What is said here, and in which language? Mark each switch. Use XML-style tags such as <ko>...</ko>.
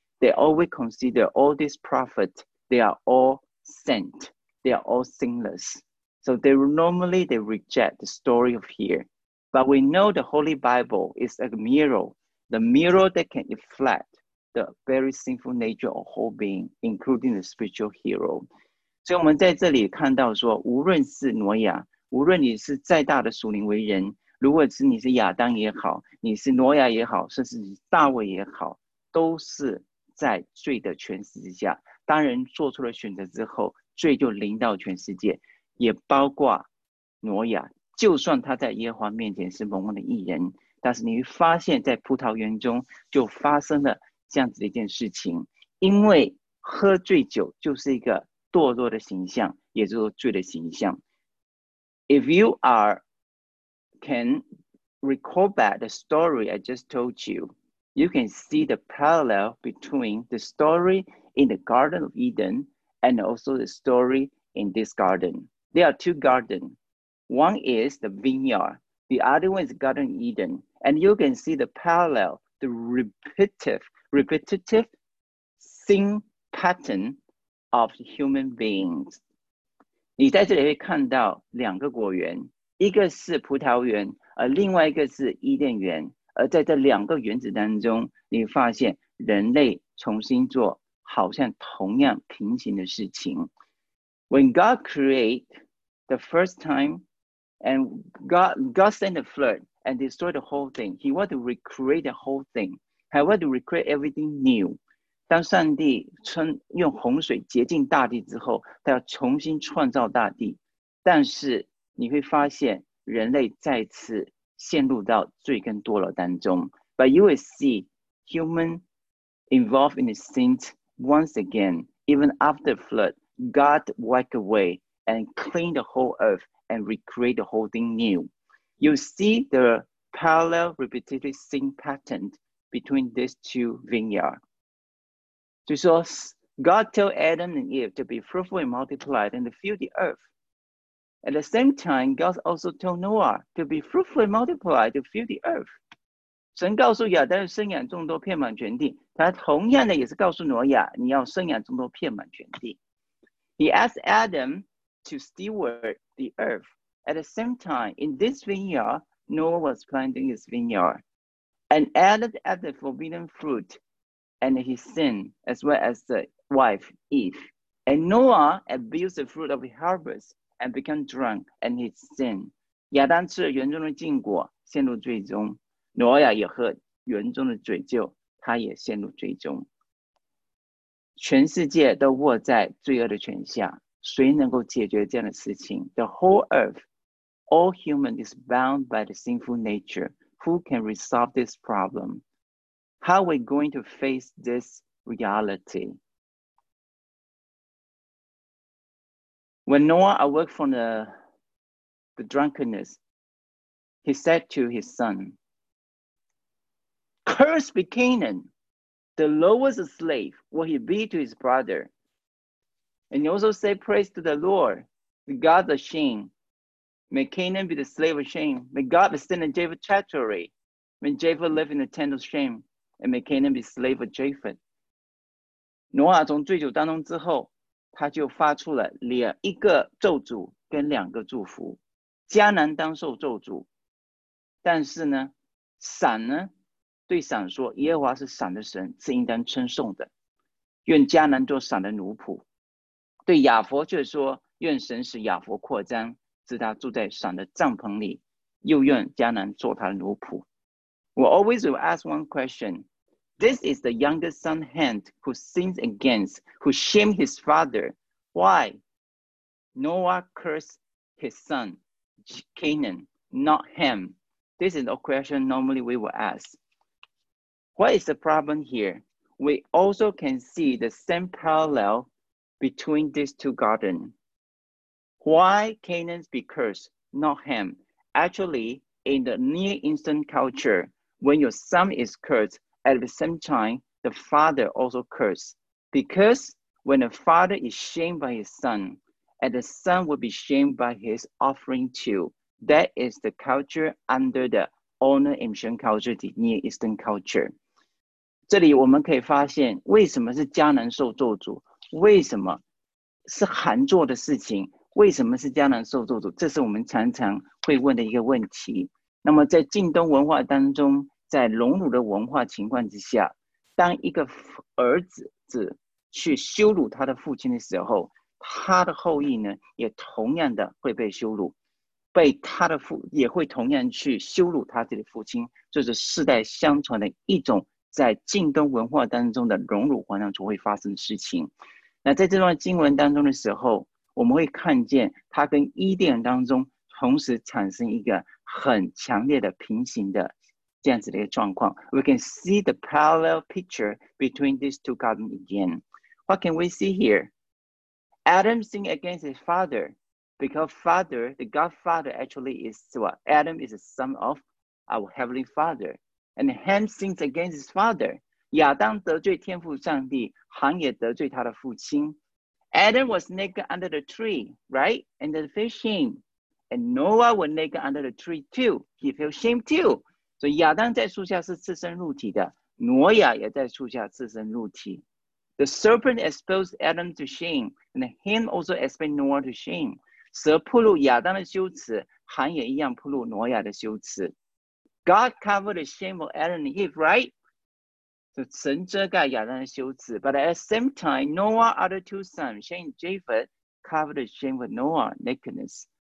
<en>They always consider all these prophets, they are all saints. They are all sinless. So they normally they reject the story of here. But we know the Holy Bible is a mirror, the mirror that can reflect the very sinful nature of whole being, including the spiritual hero.</en> <zh>所以我们在这里看到说，无论是挪亚，无论你是再大的属灵为人，如果是你是亚当也好，你是挪亚也好，甚至是大卫也好，都是在罪的权势之下。当人做出了选择之后，罪就临到全世界，也包括挪亚。就算他在耶和华面前是蒙恩的义人，但是你会发现在葡萄园中就发生了这样子的一件事情，因为喝醉酒就是一个堕落的形象，也就是罪的形象。</zh> <en>If you are can recall back the story I just told you, you can see the parallel between the story in the Garden of Eden and also the story in this garden. There are two gardens. One is the vineyard, the other one is Garden Eden, and you can see the parallel, the repetitive sin pattern of human beings.</en> <zh>你在这里会看到两个果园，一个是葡萄园，而另外一个是伊甸园。而在这两个园子当中，你发现人类重新做好像同样平行的事情。</zh> <en>When God created the first time, and God sent the flood and destroyed the whole thing, He wanted to recreate the whole thing. I want to recreate everything new.</en> <zh>当上帝用洪水洁净大地之后，他要重新创造大地。但是你会发现人类再次陷入到罪跟堕落当中。</zh> <en>But you will see human involved in the sin once again, even after flood, God wiped away and cleaned the whole earth and recreate the whole thing new. You see the parallel repetitive sin pattern. Between these two vineyards. So God told Adam and Eve to be fruitful and multiply and to fill the earth. At the same time, God also told Noah to be fruitful and multiply to fill the earth.</en> <zh>神告诉亚当要生养众多，遍满全地。他同样的也是告诉挪亚，你要生养众多，遍满全地。</zh> <en>He asked Adam to steward the earth. At the same time, in this vineyard, Noah was planting his vineyard. And added at the forbidden fruit and his sin, as well as the wife, Eve. And Noah abused the fruit of his harvest and became drunk and his sin.</en> <zh>亚当吃了园中的禁果，陷入罪中。挪亚也喝园中的罪酒，他也陷入罪中。全世界都握在罪恶的权下，谁能够解决这样的事情？</zh> <en>The whole earth, all human is bound by the sinful nature. Who can resolve this problem? How are we going to face this reality? When Noah awoke from the drunkenness, he said to his son, "Cursed be Canaan. The lowest slave will he be to his brother." And he also said, "Praise to the Lord, the God of Shem. May Canaan be the slave of Shem. May God extend in Japheth's territory. May Japheth live in the tent of Shem. And may Canaan be slave of Japheth."</en> <zh>Noah 从醉酒当中之后，他就发出了两一个咒诅跟两个祝福。迦南当受咒诅，但是呢，闪呢对闪说：“耶和华是闪的神，是应当称颂的。愿迦南做闪的奴仆。” 对亚佛却说：“愿神使亚佛扩张，使他住在闪的帐篷里，又愿迦南做他的奴仆。”</zh> <en>We always will ask one question. This is the youngest son Ham who sins against, who shamed his father. Why? Noah cursed his son Canaan, not Ham. This is the question normally we will ask. What is the problem here? We also can see the same parallel between these two gardens. Why Canaan be cursed, not Ham? Actually, in the Near Eastern culture, when your son is cursed, at the same time, the father also cursed. Because when a father is shamed by his son, and the son will be shamed by his offering too. That is the culture under the honor and shame culture, the Near Eastern culture.</en> <zh>这里我们可以发现，为什么是迦南受咒诅？为什么是韩做的事情？为什么是迦南受咒诅？这是我们常常会问的一个问题。那么在近东文化当中，在隆辱的文化情况之下，当一个儿子去羞辱他的父亲的时候，他的后裔呢，也同样的会被羞辱，被他的父也会同样去羞辱他自己的父亲，这、就是世代相传的一种在近东文化当中的荣辱环境中会发生的事情。那在这段经文当中的时候，我们会看见他跟伊甸当中同时产生一个很强烈的平行的这样子的一个状况。</zh> <en>We can see the parallel picture between these two gardens again. What can we see here? Adam sinned against his father because father, the godfather actually is what? Adam is the son of our heavenly father. And Ham sinned against his father.</en> <zh>亚当得罪天父上帝，韩也得罪他的父亲。</zh> <en>Adam was naked under the tree, right? And the feel shame. And Noah was naked under the tree too. He feel shame too.</en> <zh>所以亚当在树下是赤身露体的，挪亚也在树下赤身露体。</zh> <en>The serpent exposed Adam to shame, and him also exposed Noah to shame.</en> <zh>蛇暴露亚当的羞耻，韩也一样暴露挪亚的羞耻。</zh> <en>God covered the shame of Adam and Eve, right?</en> <zh>就神遮盖亚当的羞耻。</zh> <en>But at the same time, Noah's other two sons, Shem and Japheth, covered the shame of Noah's nakedness.</en>